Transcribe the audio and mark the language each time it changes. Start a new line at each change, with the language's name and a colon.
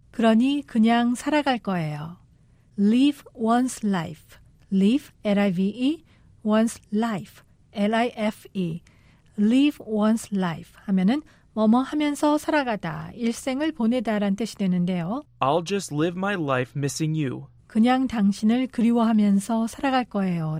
Korean: 그러니 그냥 살아갈 거예요.
English: Live one's life. Live, L-I-V-E, one's life. L-I-F-E. Live one's life
Korean: 하면은 뭐뭐 하면서 살아가다, 일생을 보내다란 뜻이 되는데요.
English: I'll just live my life missing you.
Korean: 그냥 당신을 그리워하면서 살아갈 거예요.